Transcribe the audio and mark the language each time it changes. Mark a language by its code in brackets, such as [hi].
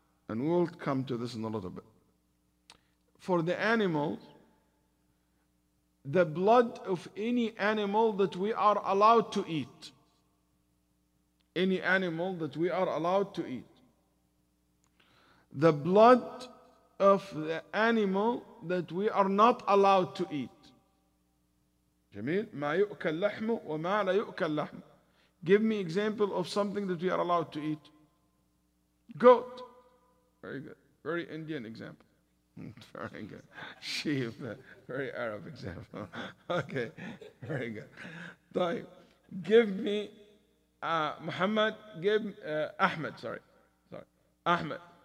[en] And we'll come to this in a little bit. For the animals, the blood of any animal that we are allowed to eat. Any animal that we are allowed to eat. The blood of the animal that we are not allowed to eat. [ar] Jameel, ما يؤكل لحمه وما لا يؤكل لحمه. [en] Give me example of something that we are allowed to eat. Goat. Very good. Very Indian example. Very good. Sheep. Very Arab example. Okay. Very good. Give me Muhammad. Give Ahmed. Sorry. Ahmed.